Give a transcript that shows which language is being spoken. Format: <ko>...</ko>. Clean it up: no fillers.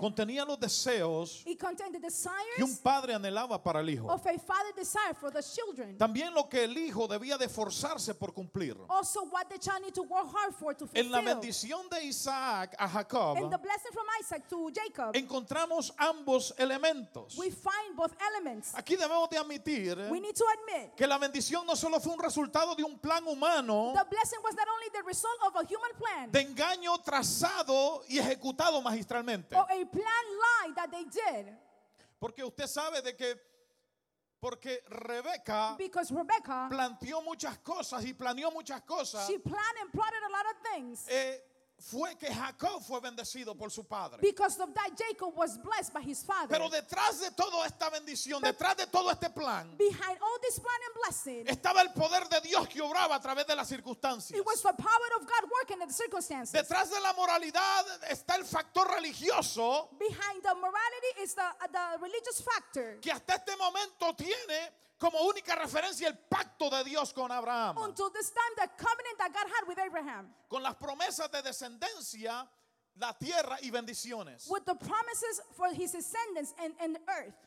<es>contenía los deseos que un padre anhelaba para el hijo.</es> <en>Of a father desired for the children.</en> <es>También lo que el hijo debía de forzarse por cumplir.</es> <en>Also what the child need to work hard for to fulfill.</en> <es>En la bendición de Isaac a Jacob,</es> <en>and the blessing from Isaac to Jacob,</en> <es>encontramos ambos elementos.</es> <en>We find both elements.</en> <es>Aquí debemos de admitir,</es> <en>we need to admit,</en> <es>que la bendición no solo fue un resultado de un plan humano.</es> <en>The blessing was not only the result of a human plan.</en> <es>Engaño trazado y ejecutado magistralmente.</es> <en>Or a plan lie that they did.</en> <es>Porque usted sabe de que porque Rebeca,</es> <en>because Rebecca</en> <es>planteó muchas cosas y planeó muchas cosas.</es> <en>She planned and plotted a lot of things.</en> <es>Fue que Jacob fue bendecido por su padre.</es> <en>Because of that, Jacob was blessed by his father.</en> <es>Pero detrás de toda esta bendición, detrás de todo este plan,</es> <en>behind all this plan and blessing,</en> <es>estaba el poder de Dios que obraba a través de las circunstancias.</es> <en>It was the power of God working in the circumstances.</en> <es>Detrás de la moralidad está el factor religioso.</es> <en>Behind the morality is the religious factor.</en> <es>Que hasta este momento tiene como única referencia el pacto de Dios con Abraham.</es> <en>Until this time, the covenant that God had with Abraham.</en> <es>Con las promesas de descendencia, la tierra y bendiciones.</es> <en>With the promises for his descendants and the earth.</en>